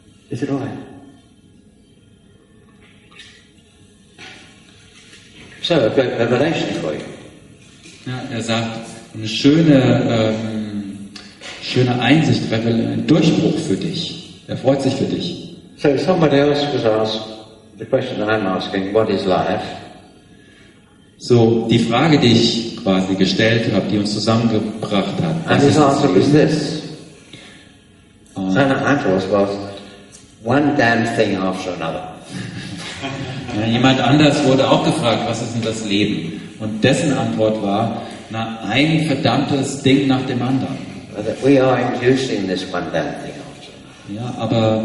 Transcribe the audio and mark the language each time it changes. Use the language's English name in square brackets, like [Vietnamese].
[German] Ist es okay? [English] So, a great revelation for you. [German] Ja, er sagt, eine schöne, schöne Einsicht, ein Durchbruch für dich. Er freut sich für dich. [English] So, somebody else was asked the question that I'm asking, what is life? [German] So, die Frage, die ich quasi gestellt habe, die uns zusammengebracht hat. [English] And his answer was this. [German] Seine Antwort war, [English] one damn thing after another. [German] Ja, jemand anders wurde auch gefragt, was ist denn das Leben? Und dessen Antwort war, na, ein verdammtes Ding nach dem anderen. [English] But we are inducing this one damn thing after another.